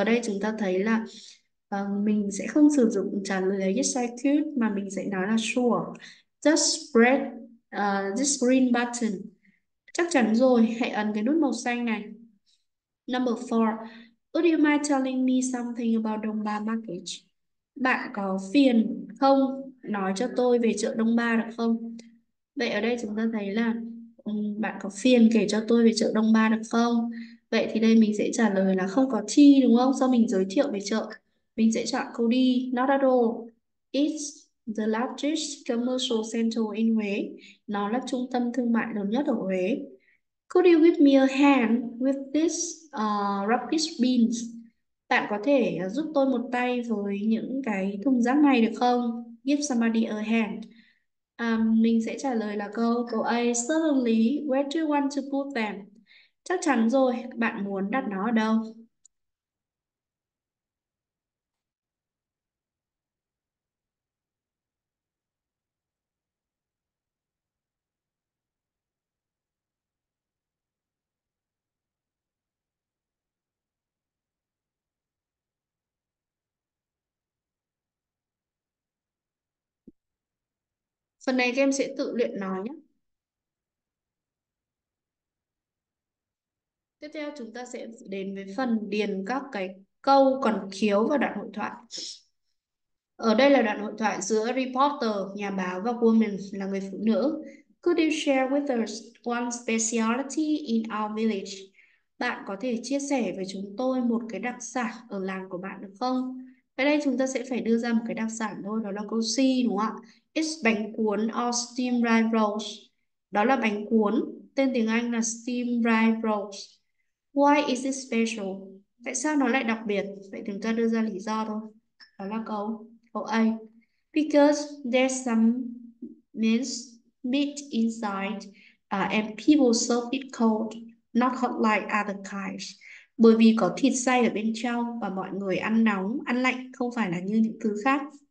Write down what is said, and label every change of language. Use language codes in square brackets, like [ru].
[vi] Ở đây chúng ta thấy là mình sẽ không sử dụng trả lời là [en] yes I could, [vi] mà mình sẽ nói là sure. [en] Just press this green button. [vi] Chắc chắn rồi, hãy ấn cái nút màu xanh này. [en] Number 4, would you mind telling me something about Đông Ba Market? [vi] Bạn có phiền không nói cho tôi về chợ Đông Ba được không? Vậy ở đây chúng ta thấy là bạn có phiền kể cho tôi về chợ Đông Ba được không? Vậy thì đây mình sẽ trả lời là không có chi đúng không? Sau mình giới thiệu về chợ, mình sẽ chọn câu đi. [en] Not at all. It's the largest commercial center in Huế. [vi] Nó là trung tâm thương mại lớn nhất ở Huế. [en] Could you give me a hand with this rubbish bins? [vi] Bạn có thể giúp tôi một tay với những cái thùng rác này được không? [en] Give somebody a hand. [vi] Mình sẽ trả lời là câu A. [en] Certainly, where do you want to put them? [vi] Chắc chắn rồi, bạn muốn đặt nó ở đâu? Phần này các em sẽ tự luyện nói nhé. Tiếp theo chúng ta sẽ đến với phần điền các cái câu còn thiếu vào đoạn hội thoại. Ở đây là đoạn hội thoại giữa reporter, nhà báo và woman là người phụ nữ. [en] Could you share with us one speciality in our village? [vi] Bạn có thể chia sẻ với chúng tôi một cái đặc sản ở làng của bạn được không? Ở đây chúng ta sẽ phải đưa ra một cái đặc sản thôi, đó là câu C đúng không ạ? [en] It's bánh cuốn or steam rye rolls. [vi] Đó là bánh cuốn, tên tiếng Anh là steam rye rolls. [en] Why is it special? [vi] Tại sao nó lại đặc biệt? Vậy chúng ta đưa ra lý do thôi. Đó là câu A. [en] Because there's some minced meat inside and people serve it cold, not hot like other kinds. [vi] Bởi vì có thịt xay ở bên trong và mọi người ăn nóng, ăn lạnh không phải là như những thứ khác.